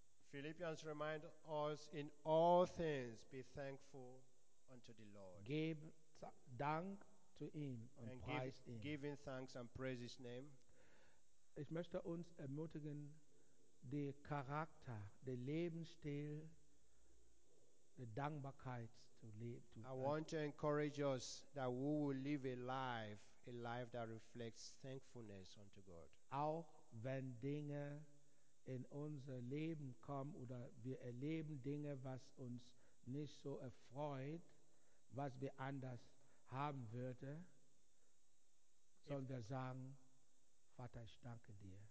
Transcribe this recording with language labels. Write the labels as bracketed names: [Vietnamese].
[English] Philippians remind us, in all things be thankful unto the Lord. Give dank to him [German] und [English] and [German] preis ihn. [English] Giving thanks and praise his name. [German] Ich möchte uns ermutigen, den Charakter, den Lebensstil, die Dankbarkeit zu leben. [English] I want to encourage us that we will live a life that reflects thankfulness unto God. [German] Auch wenn Dinge in unser Leben kommen oder wir erleben Dinge, was uns nicht so erfreut, was wir anders haben würden, sollen wir sagen, Vater, ich danke dir.